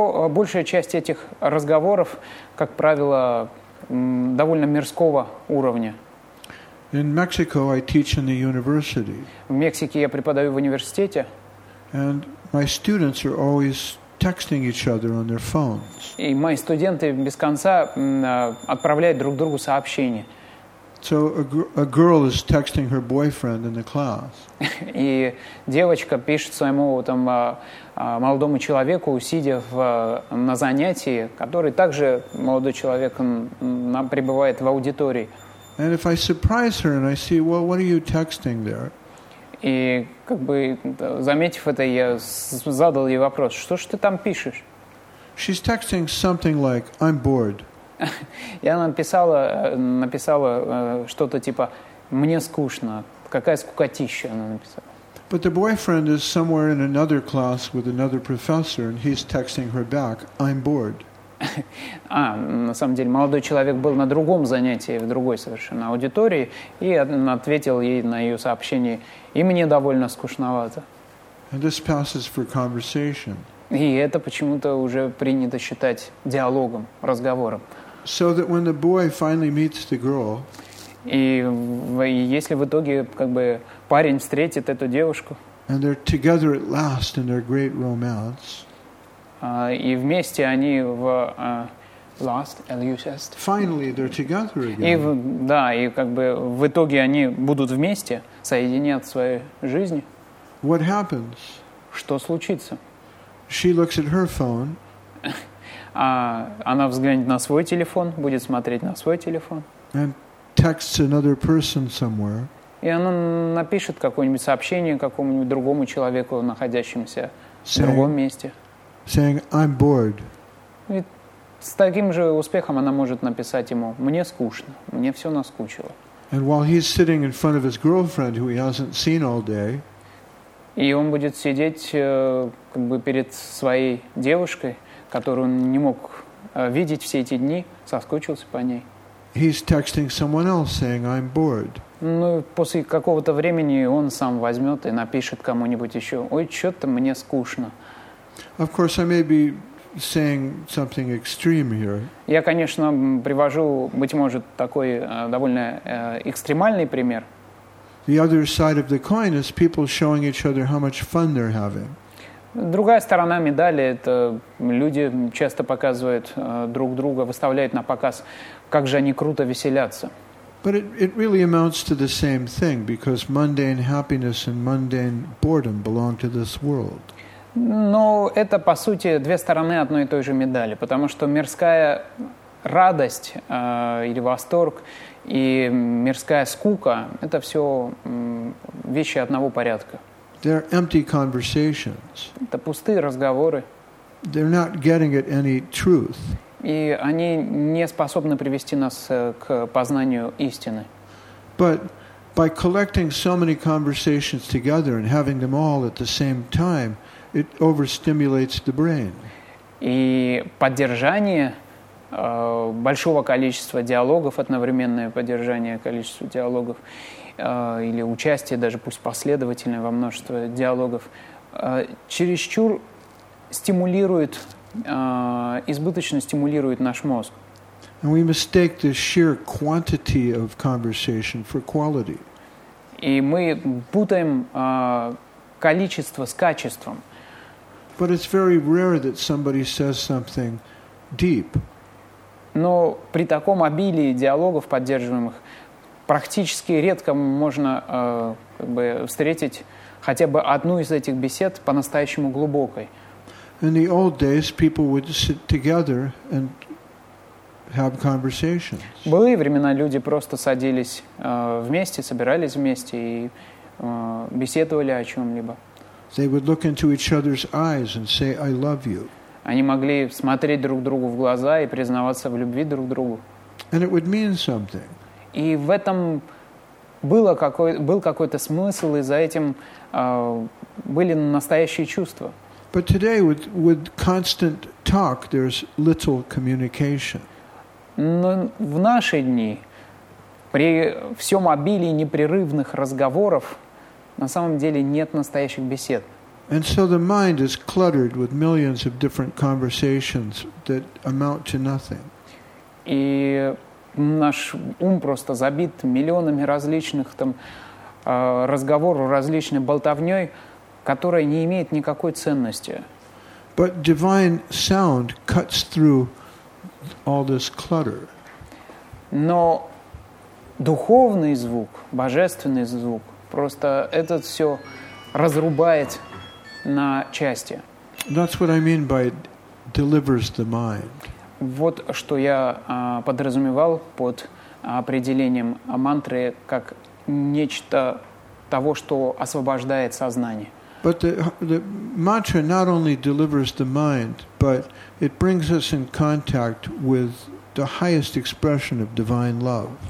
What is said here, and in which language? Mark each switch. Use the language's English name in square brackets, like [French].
[Russian] Большая часть этих разговоров, как правило, довольно мирского уровня. [English] In Mexico, I teach in the university. [Russian] В Мексике я преподаю в университете. [English] And my students are always texting each other on their phones. [Russian] И мои студенты без конца отправляют друг другу сообщения. [English] So a girl is texting her boyfriend in the class. [Russian] И девочка пишет своему там молодому человеку, сидя на занятии, который также молодой человек пребывает в аудитории. [English] And if I surprise her and I see, well, what are you texting there? [Russian] И как бы заметив это, я задал ей вопрос: что ж ты там пишешь? [English] She's texting something like, I'm bored. [Russian] Я написала что-то типа «Мне скучно». «Какая скукотища» она написала. [English] But the boyfriend is somewhere in another class with another professor, and he's texting her back, I'm bored. [Russian] А, на самом деле, молодой человек был на другом занятии, в другой совершенно аудитории, и ответил ей на ее сообщение, и мне довольно скучновато. [English] And this passes for conversation. [Russian] И это почему-то уже принято считать диалогом, разговором. [English] So that when the boy finally meets the girl, [Russian] И если в итоге как бы парень встретит эту девушку, [English] and they're together at last in their great romance, [Russian] и вместе они в [English] last, L-U-S-T. Finally, they're together again. [Russian] И, да, и как бы в итоге они будут вместе, соединят свои жизни. [English] What happens? [Russian] Что случится? [English] She looks at her phone. [Russian] Она взглянет на свой телефон, будет смотреть на свой телефон. [English] And texts another person somewhere. [Russian] И она напишет какое-нибудь сообщение какому-нибудь другому человеку, находящемуся в другом месте. [English] Saying, I'm bored. [Russian] С таким же успехом она может написать ему: «Мне скучно, мне все наскучило». [English] And while he's sitting in front of his girlfriend, who he hasn't seen all day, [Russian] и он будет сидеть как бы перед своей девушкой, которую он не мог видеть все эти дни, соскучился по ней. [English] He's texting someone else, saying, I'm bored. [Russian] Ну, после какого-то времени он сам возьмет и напишет кому-нибудь еще: «Ой, что-то мне скучно». [English] Of course, I may be saying something extreme here. [Russian] Я, конечно, привожу, быть может, такой довольно экстремальный пример. [English] The other side of the coin is people showing each other how much fun they're having. [Russian] Другая сторона медали – это люди часто показывают друг друга, выставляют на показ, как же они круто веселятся. [English] But it really amounts to the same thing, because mundane happiness and mundane boredom belong to this world. [Russian] Но это, по сути, две стороны одной и той же медали, потому что мирская радость или восторг и мирская скука – это все вещи одного порядка. [English] They're empty conversations. [Russian] Это пустые разговоры. [English] They're not getting at any truth. [Russian] И они не способны привести нас к познанию истины. [English] But by collecting so many conversations together and having them all at the same time, it overstimulates the brain. [Russian] И поддержание большого количества диалогов, одновременное поддержание количества диалогов или участие даже пусть последовательное во множество диалогов чересчур стимулирует, избыточно стимулирует наш мозг. [English] And we mistake the sheer quantity of conversation for quality. [Russian] И мы путаем количество с качеством. [English] But it's very rare that somebody says something deep. [Russian] Но при таком обилии диалогов поддерживаемых практически редко можно как бы встретить хотя бы одну из этих бесед по-настоящему глубокой. [English] In the old days, people would sit together and have conversations. [Russian] Былые времена люди просто садились вместе, собирались вместе и беседовали о чем-либо. [English] They would look into each other's eyes and say, "I love you." [Russian] Они могли смотреть друг другу в глаза и признаваться в любви друг другу. [English] And it would mean something. [Russian] И в этом был какой-то смысл, и за этим были настоящие чувства. [English] But today, with constant talk, there's little communication. [Russian] Но в наши дни при всем обилии непрерывных разговоров на самом деле нет настоящих бесед. [English] And so the mind is cluttered with millions of different conversations that amount to nothing. [Russian] И наш ум просто забит миллионами различных там разговоров, различной болтовнёй, которая не имеет никакой ценности. [English] But divine sound cuts through all this clutter. [Russian] Но духовный звук, божественный звук, просто этот все разрубает на части. [English] That's what I mean by delivers the mind. [Russian] Вот что я подразумевал под определением мантры как нечто того, что освобождает сознание. [English] But the mantra not only delivers the mind, but it brings us in contact with the highest expression of divine love.